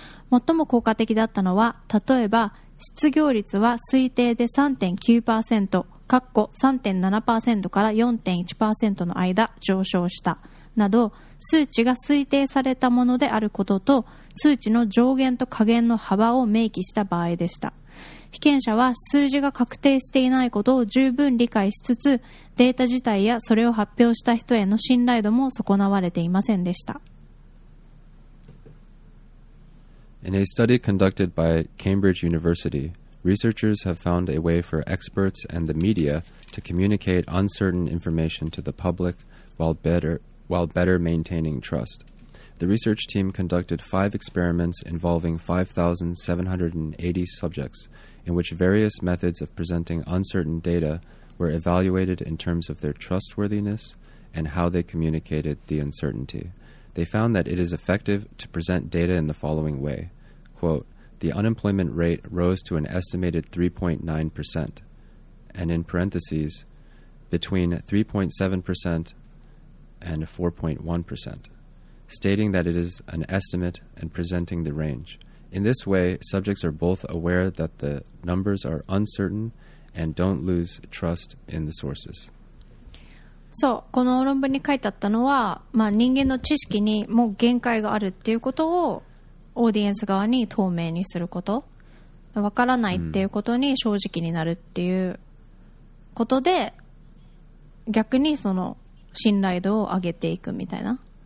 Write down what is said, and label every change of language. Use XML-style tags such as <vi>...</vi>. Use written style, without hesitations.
<ja>最も効果的だったのは例えば失業率は推定で 3.9%、3.7% から 4.1% の間上昇した、など、数値が推定されたものであることと、数値の上限と下限の幅を明記した場合でした。被験者は数字が確定していないことを十分理解しつつ、データ自体やそれを発表した人への信頼度も損なわれていませんでした。</ja> <en>In a study conducted by Cambridge University, researchers have found a way for experts and the media to communicate uncertain information to the public while better maintaining trust. The research team conducted 5 experiments involving 5,780 subjects, in which various methods of presenting uncertain data were evaluated in terms of their trustworthiness and how they communicated the uncertainty. They found that it is effective to present data in the following way. Quote, the unemployment rate rose to an estimated 3.9%, and in parentheses, between 3.7% and 4.1%, stating that it is an estimate and presenting the range. In this way, subjects are both aware that the numbers are uncertain and don't lose trust in the sources.</en> <ja>そう、この論文に書いてあったのは、まあ、人間の知識にもう限界があるっていうことをオーディエンス側に透明にすること、分からないっていうことに正直になるっていうことで、逆にその信頼度を上げていくみたいな。</ja>